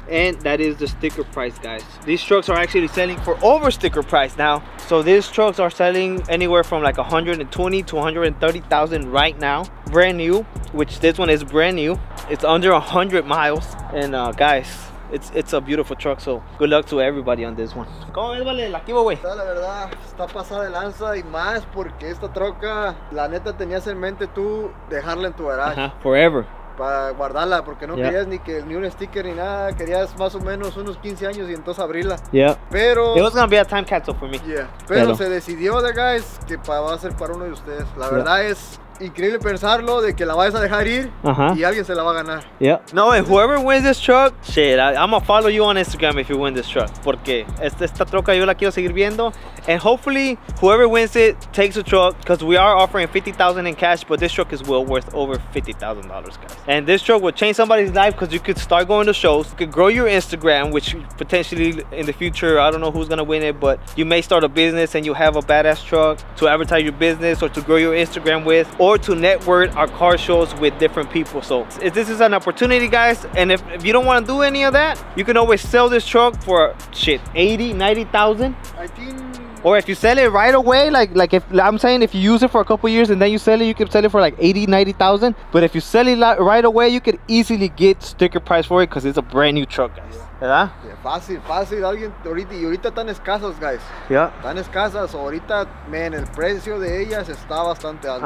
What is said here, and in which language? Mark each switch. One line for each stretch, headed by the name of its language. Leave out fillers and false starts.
English: And that is the sticker price, guys. These trucks are actually selling for over sticker price now. So these trucks are selling anywhere from like 120 to 130,000 right now. Brand new, which this one is brand new. It's under 100 miles. And guys, it's a beautiful truck, so good luck to everybody on this one.
Spanish: ¿Cómo es, vale? La giveaway. La verdad, está pasada de lanza y más porque esta troca, la neta, tenías en mente tú dejarla en tu garage.
English: Forever.
Spanish: Para guardarla, porque no querías ni un sticker ni nada. Querías más o menos unos 15 años y entonces abrirla.
English: Yeah.
Spanish: Pero...
English: It was gonna be a time capsule for me.
Spanish: Yeah. Pero se decidió,
English: the guys,
Spanish: que va a ser para uno de ustedes. La verdad es... Increíble pensarlo de que la vayas a dejar ir y alguien se la va a ganar.
English: Yeah. No, and whoever wins this truck, shit, I'm gonna follow you on Instagram if you win this truck.
Spanish: Porque esta troca yo la quiero seguir viendo.
English: And hopefully, whoever wins it takes the truck, because we are offering $50,000 in cash, but this truck is well worth over $50,000, guys. And this truck will change somebody's life, because you could start going to shows, you could grow your Instagram, which potentially in the future, I don't know who's gonna win it, but you may start a business and you have a badass truck to advertise your business or to grow your Instagram with, or to network our car shows with different people. So if this is an opportunity, guys, and if you don't want to do any of that, you can always sell this truck for, shit, 80, 90,000? I think... Or if you sell it right away, like if I'm saying, if you use it for a couple years and then you sell it, you can sell it for like 80, 90,000. But if you sell it right away, you could easily get sticker price for it because it's a brand new truck, guys.
Spanish: Yeah. Yeah, fácil, fácil. Alguien ahorita, y ahorita están escasas, guys.
English: Yeah.
Spanish: Están escasas. Ahorita, man, el precio de ellas está bastante alto.